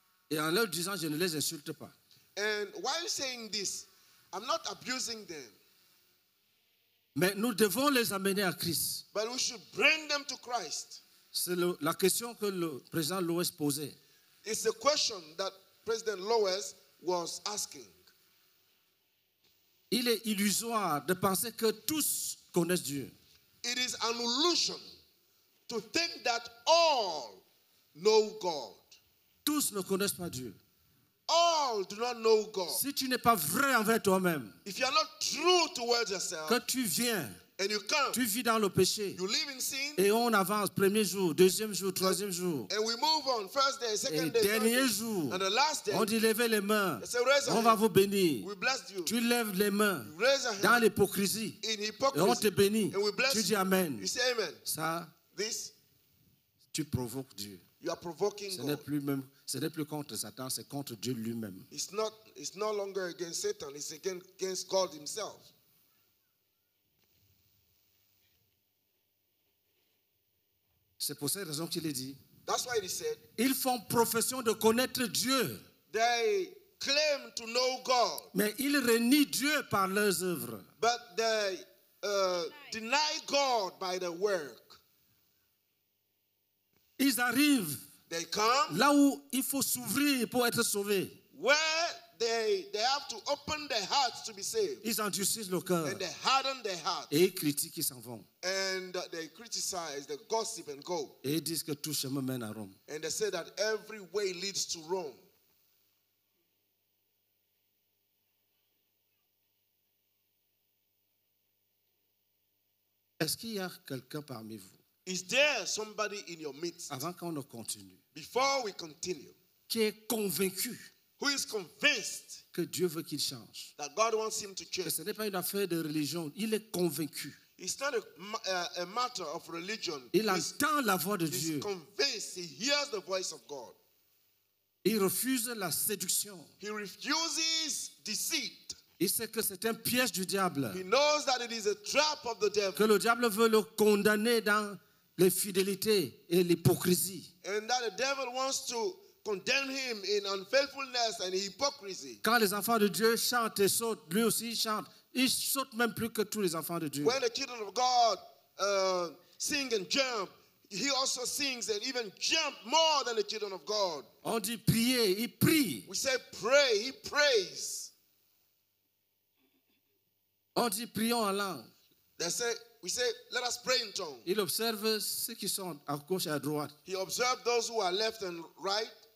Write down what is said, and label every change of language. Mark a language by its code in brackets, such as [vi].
[fr] Et en leur disant, je ne les insulte pas. [en] And while saying this, I'm not abusing them. [fr] Mais nous devons les amener à Christ. [en] But we should bring them to Christ. [fr] C'est la question que le président Lewis posait. [en] It's the question that President Lewis was asking. [fr] Il est illusoire de penser que tous connaissent Dieu. [en] It is an illusion to think that all know God. [fr] Tous ne connaissent pas Dieu. [en] All do not know God. [fr] Si tu n'es pas vrai envers toi-même, [en] if you are not true towards yourself, [fr] quand tu viens, [en] and you come, [fr] tu vis dans le péché, [en] you live in sin, [fr] et on avance, premier jour, deuxième jour, troisième jour, [en] and we move on, first day, second [fr] et [en] day, [fr] dernier [en] day, [fr] jour, [en] and the last day, [fr] on dit lève les mains, [en] say, raise [fr] on va vous bénir. [en] We bless you. [fr] Tu lèves les mains [en] raise [fr] dans l'hypocrisie, [en] in hypocrisy, [fr] et on te bénit. [en] And we bless [fr] tu dis amen. [en] You say amen. [fr] Ça, [en] this, [fr] Tu provoques Dieu. [en] You are provoking [fr] ce n'est [en] God. [fr] Plus même, ce n'est plus contre Satan, c'est contre Dieu lui-même. [en] It's no longer against Satan, it's against God himself. [fr] C'est pour cette raison qu'il est dit. [en] That's why he said, [fr] ils font profession de connaître Dieu. [en] They claim to know God. [fr] Mais ils renient Dieu par leurs œuvres. [en] But they deny God by their work. [fr] Ils arrivent. [en] They come. [fr] Là où il faut s'ouvrir pour être sauvé. [en] Where they have to open their hearts to be saved. [fr] Ils endurcissent le cœur. [en] And they harden their hearts. [fr] Et ils critiquent, ils s'en vont. [en] And they criticize, they gossip and go. [fr] Et ils disent que tout chemin mène à Rome. [en] And they say that every way leads to Rome. [fr] Est-ce qu'il y a quelqu'un parmi vous? [en] Is there somebody in your midst? [fr] Avant qu'on ne continue. [en] Before we continue. [fr] Qui est convaincu? [en] Who is convinced? [fr] Que Dieu veut qu'il change. [en] That God wants him to change. [fr] Que ce n'est pas une affaire de religion. Il est convaincu. [en] It's not a matter of religion. [fr] Il entend la voix de Dieu. [en] He's convinced. He hears the voice of God. [fr] Il refuse la séduction. [en] He refuses deceit. [fr] Il sait que c'est un piège du diable. [en] He knows that it is a trap of the devil. [fr] Que le diable veut le condamner dans l'infidélité et l'hypocrisie. [en] And that the devil wants to condemn him in unfaithfulness and hypocrisy. [fr] Quand les enfants de Dieu chantent et sautent, lui aussi chante. Il saute même plus que tous les enfants de Dieu. [en] When the children of God sing and jump, he also sings and even jump more than the children of God. [fr] On dit prier, il prie. [en] We say pray, he prays. [fr] On dit prions en langue. [en] We say let us pray in tongues. [fr] Il observe ceux qui sont à gauche et à droite. He observes those who are left and right.